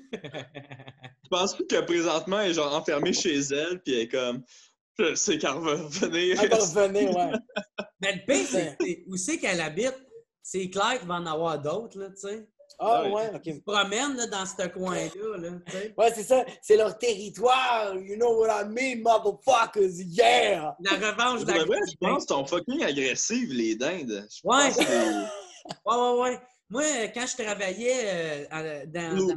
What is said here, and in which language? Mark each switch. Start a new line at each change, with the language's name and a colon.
French: Tu penses-tu que présentement elle est genre enfermée chez elle puis elle est comme, je sais qu'elle va revenir. Elle va revenir, ouais. Mais le pire, c'est où c'est qu'elle habite, c'est clair qu'il va en avoir d'autres, là, tu sais. Ah, oh, ouais, OK. Ils se promènent là, dans ce coin-là. Là, ouais, c'est ça. C'est leur territoire.
English: You know what I mean, motherfuckers? Yeah!
French: La revanche d'agressif. Ouais, je pense que sont fucking agressives, les dindes. Ouais. Ouais, ouais, ouais. Moi, quand je travaillais dans.